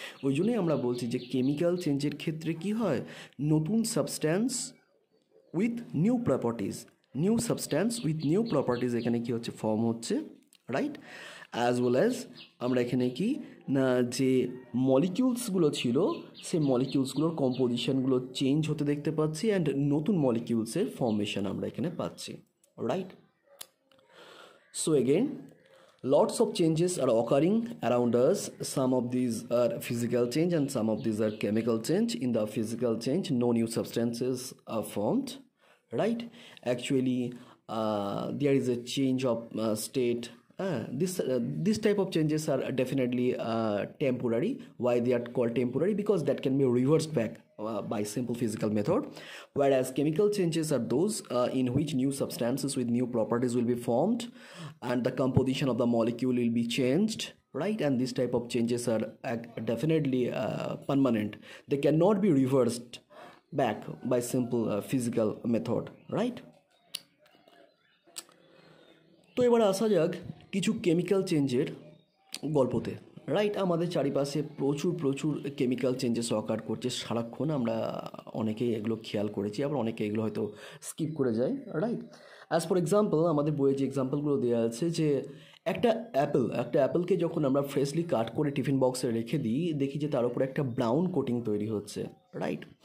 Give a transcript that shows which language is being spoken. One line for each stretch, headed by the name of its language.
Bangla: ওই জন্যই আমরা বলছি যে কেমিক্যাল চেঞ্জের ক্ষেত্রে কী হয়, নতুন substance with new properties,
English: new substance with new properties
Bangla: এখানে কী হচ্ছে ফর্ম হচ্ছে, রাইট? অ্যাজ ওয়েল অ্যাজ আমরা এখানে কি না যে মলিকিউলসগুলো ছিল সেই মলিকিউলসগুলোর কম্পোজিশনগুলো চেঞ্জ হতে দেখতে পাচ্ছি, অ্যান্ড নতুন মলিকিউলসের ফর্মেশন আমরা এখানে পাচ্ছি, right?
English: So again, lots of changes are occurring around us. Some of these are physical change and some of these are chemical change. In the physical change, no new substances are formed, right? Actually, there is a change of state. This type of changes are definitely temporary. Why they are called temporary? Because that can be reversed back by simple physical method. Whereas chemical changes are those in which new substances with new properties will be formed and the composition of the molecule will be changed, right? And this type of changes are definitely permanent. They cannot be reversed back by simple physical method, right?
Bangla: তো এবার আসা যাক কিছু chemical চেঞ্জের গল্পতে, right? আমাদের চারিপাশে প্রচুর প্রচুর কেমিক্যাল চেঞ্জেস অকার করছে সারাক্ষণ, আমরা অনেকেই এগুলো খেয়াল করেছি, আবার অনেকে এগুলো হয়তো স্কিপ করে যায়, রাইট? অ্যাজ ফর এক্সাম্পল, আমাদের বইয়ে যে এক্সাম্পলগুলো দেওয়া আছে যে একটা অ্যাপেলকে যখন আমরা ফ্রেশলি কাট করে টিফিন বক্সে রেখে দিই, দেখি যে তার উপরে একটা ব্রাউন কোটিং তৈরি হচ্ছে, রাইট?